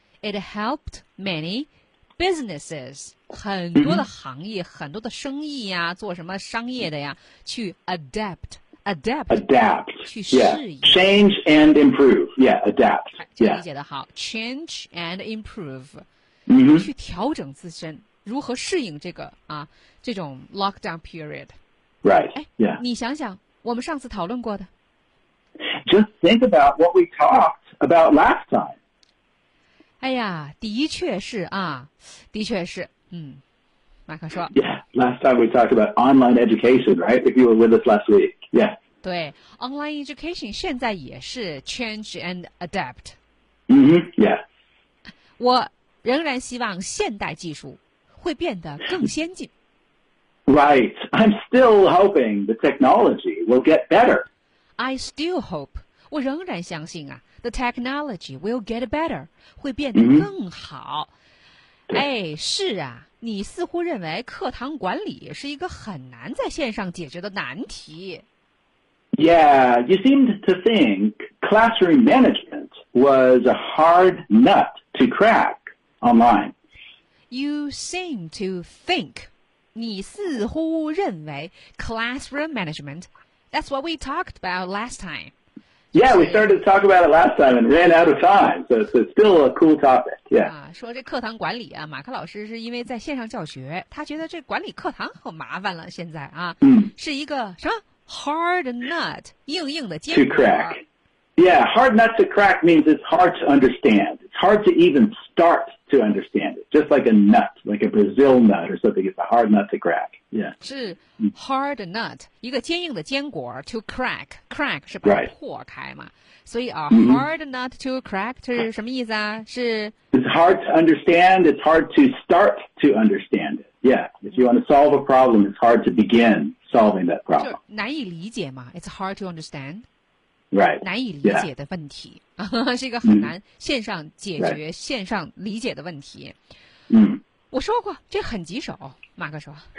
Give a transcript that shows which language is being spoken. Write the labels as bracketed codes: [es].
[en] It helped many businesses, [zh] 很多的行业、很多的生意呀、做什么商业的呀去 [en] adapt, [zh] 去适应。 [en] Change and improve, adapt. [zh] 理解的好 [en] change and improve,、 [zh] 去调整自身。如何适应这个啊这种 [en] lockdown period right [zh] 你想想我们上次讨论过的 [en] just think about what we talked about last time [zh] 哎呀的确是啊的确是马克说 [en] last time we talked about online education right if you were with us last week [zh] 对 [en] online education [zh] 现在也是 [en] change and adapt [zh] 我仍然希望现代技术会变得更先进。 [en] Right, I'm still hoping the technology will get better. I still hope, [zh] 我仍然相信啊 [en] ,the technology will get better, [zh] 会变得更好。哎，是啊，你似乎认为课堂管理是一个很难在线上解决的难题。 [en] Yeah, you seemed to think classroom management was a hard nut to crack online. You seem to think, [zh] 你似乎认为 [en] classroom management, that's what we talked about last time. Yeah, we started to talk about it last time and ran out of time, so it's still a cool topic, yeah. [zh] 说这课堂管理啊，马克老师是因为在线上教学，他觉得这管理课堂很麻烦了现在啊，是一个什么 [en] hard nut, [zh] 硬硬的坚果。 [en] To crack. Yeah, hard nut to crack means it's hard to understand. It's hard to even start. To understand it, just like a nut, like a Brazil nut or something, it's a hard nut to crack. Yeah, [zh] 是 [en] hard nut, [zh] 一个坚硬的坚果 [en] to crack. [zh] Crack 是把破开嘛，所以 [en] a hard nut to crack [zh] 是什么意思啊？是 [en] it's hard to understand. It's hard to start to understand it. Yeah, if you want to solve a problem, it's hard to begin solving that problem. [zh] 难以理解嘛 [en] It's hard to understand. [zh] 难以理解的问题、是一个很难线上解决、线上理解的问题。我说过这很棘手，马克说。